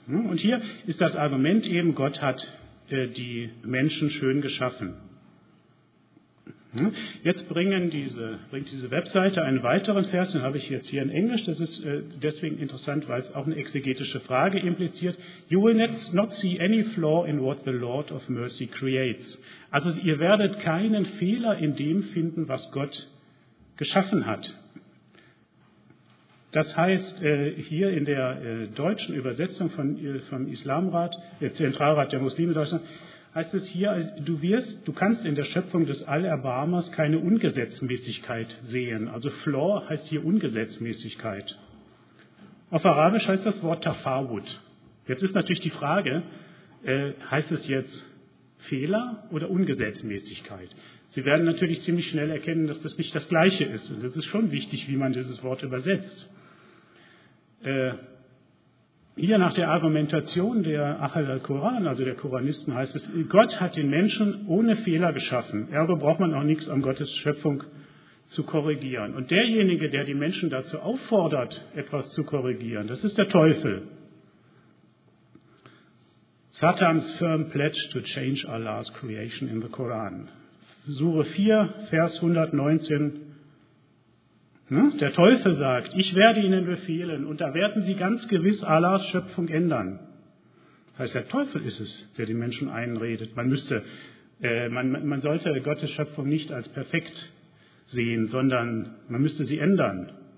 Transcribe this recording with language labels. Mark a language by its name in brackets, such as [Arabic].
[German] Und hier ist das Argument eben, Gott hat die Menschen schön geschaffen. Jetzt bringt diese Webseite einen weiteren Vers, den habe ich jetzt hier in Englisch. Das ist deswegen interessant, weil es auch eine exegetische Frage impliziert. [English] You will not see any flaw in what the Lord of Mercy creates. [German] Also ihr werdet keinen Fehler in dem finden, was Gott geschaffen hat. Das heißt, hier in der deutschen Übersetzung vom Islamrat, Zentralrat der Muslime Deutschland, heißt es hier, du kannst in der Schöpfung des Allerbarmers keine Ungesetzmäßigkeit sehen. Also Flaw heißt hier Ungesetzmäßigkeit. Auf Arabisch heißt das Wort Tafawud. Jetzt ist natürlich die Frage, heißt es jetzt Fehler oder Ungesetzmäßigkeit? Sie werden natürlich ziemlich schnell erkennen, dass das nicht das Gleiche ist. Und es ist schon wichtig, wie man dieses Wort übersetzt. Hier nach der Argumentation der Ahl al-Quran, also der Koranisten, heißt es, Gott hat den Menschen ohne Fehler geschaffen. Ergo braucht man auch nichts an Gottes Schöpfung zu korrigieren. Und derjenige, der die Menschen dazu auffordert, etwas zu korrigieren, das ist der Teufel. [English] Satan's firm pledge to change Allah's creation in the Quran. [German] Sure 4, Vers 119. Der Teufel sagt, ich werde ihnen befehlen und da werden sie ganz gewiss Allahs Schöpfung ändern. Das heißt, der Teufel ist es, der die Menschen einredet. Man sollte Gottes Schöpfung nicht als perfekt sehen, sondern man müsste sie ändern.